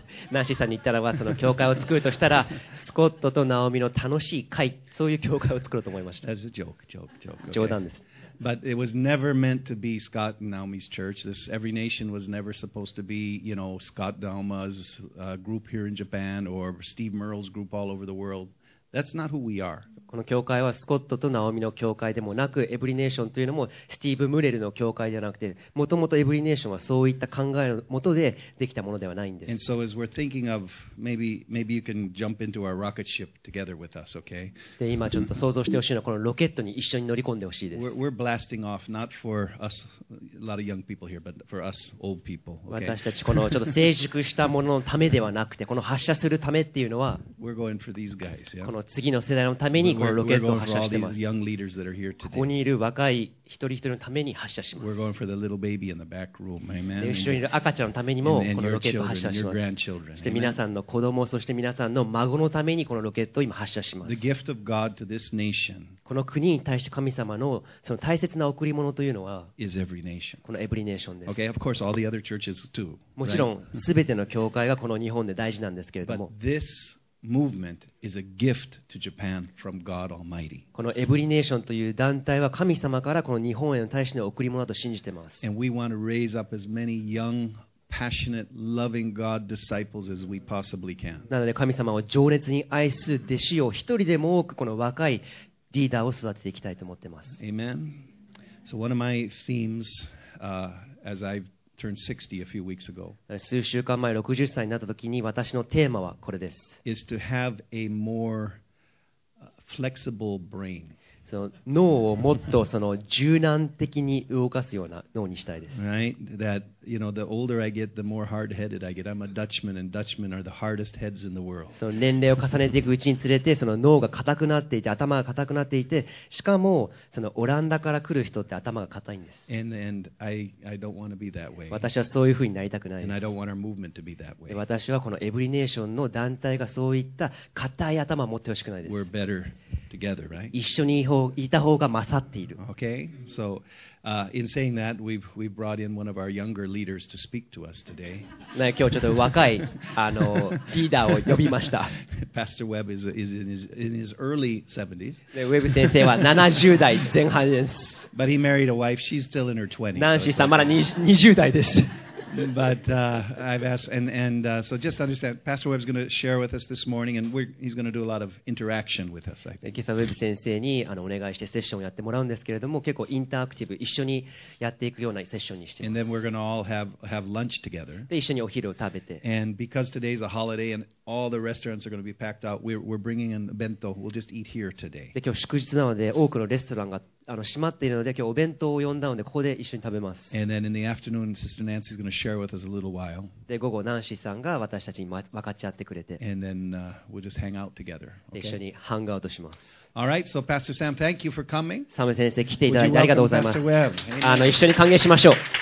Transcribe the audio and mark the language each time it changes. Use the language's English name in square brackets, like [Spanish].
[Japanese] Nancy さんに言ったらはその教会を作るとしたらスコットとナオミの楽しい会そういう教会を作ろうと思いました。 [English] That's a joke. [Japanese] 冗談です。 [English] But it was never meant to be Scott and Naomi's church. This Every Nation was never supposed to be, you know, Scott Dalma's group here in Japan or Steve Merle's group all over the world. That's not who we are. [Japanese] この教会はスコットとナオミの教会でもなく、エブリネーションというのもスティーブ・ムレルの教会ではなくて、もともとエブリネーションはそういった考えのもとでできたものではないんです。 [English] And so as we're thinking of, maybe you can jump into our rocket ship together with us, okay? [Japanese] で、今ちょっと想像してほしいのは、このロケットに一緒に乗り込んでほしいです。 [English] We're blasting off, not for us, a lot of young people here, but for us old people, okay? [Japanese] 私たちこのちょっと成熟したもののためではなくて、この発射するためっていうのは、 [English] We're going for these guys, yeah? [Japanese] 次の世代のためにこのロケットを発射してます。 [English] We're going for [Japanese] ここにいる若い一人一人のために発射します。 [English] We're going for the little baby in the back room. Amen. [Japanese] 後ろにいる赤ちゃんのためにもこのロケットを発射します。 [English] Grandchildren. [Japanese] そして皆さんの子供、そして皆さんの孫のためにこのロケットを今発射します。 [English] The gift of God to this nation. [Japanese] この国に対して神様のその大切な贈り物というのは [English] is every nation. [Japanese] このEvery Nationです。 [English] Okay, of course, all the other churches too. [Japanese] もちろん全ての教会がこの日本で大事なんですけれども。 [English] But thisMovement is a gift to Japan from God Almighty. [Japanese] このエブリネーションという団体は神様からこの日本への対しての贈り物だと信じてます。 [English] And we want to raise up as many young, passionate, loving God disciples as we possibly can. [Japanese] なので神様を情熱に愛する弟子を一人でも多くこの若いリーダーを育てていきたいと思ってます。 [English] Amen. So one of my themes, as I've turned 60 a few weeks ago. [Japanese] 数週間前60歳になった時に私のテーマはこれです。 [English] Is to have a more flexible brain. [Japanese] その脳をもっとその柔軟的に動かすような脳にしたいです。 [English] Right? That you know, the older I get, the more hard-headed I get. I'm a Dutchman, and Dutchmen are the hardest heads in the world. [Japanese] その年齢を重ねていくうちにつれて、その脳が硬くなっていて、頭が硬くなっていて、しかもそのオランダから来る人って頭が硬いんです。 [English] And I don't want to be that way. [Japanese] 私はそういうふうになりたくないです。 [English] And I don't want our movement to be that way. [Japanese] 私はこのエブリネーションの団体がそういった硬い頭を持ってほしくないです。 [English] We're better together, right? [Japanese] 一緒にいた方が勝っている。 [English] Okay, so. In saying that, we've brought in one of our younger leaders to speak to us today. [Japanese] 今日ちょっと若いリーダーを呼びました。 [English] Pastor Webb is in his early 70s. [Japanese] Webb 先生は70代前半です。 [English] But he married a wife. She's still in her 20s. [Japanese] ナンシーさんまだ20代です。 [English] But I've asked, and so just understand, Pastor Webb's going to share with us this morning, and he's going to do a lot of interaction with us, I think. [Japanese] 今朝 Webb 先生にお願いしてセッションをやってもらうんですけれども、結構インタラクティブ、一緒にやっていくようなセッションにしています [English] And then we're going to all have lunch together. [Japanese] で、一緒にお昼を食べて。 [English] And because today's a holiday and all the restaurants are going to be packed out, we're bringing in the bento. We'll just eat here today. [Japanese] で、今日祝日なので、多くのレストランが閉まっているので、今日お弁当を呼んだので、ここで一緒に食べます。 [English] And then in the afternoon, Sister Nancy's going to share with us a little while. [Japanese] で、午後、ナンシーさんが私たちに分かち合ってくれて。 [English] And then we'll just hang out together. [Japanese] で、一緒にハングアウトします。 [English] All right, so Pastor Sam, thank you for coming. [Japanese] サム先生、来ていただいてありがとうございます。 [English] Would you welcome Pastor Webb? [Japanese] 一緒に歓迎しましょう。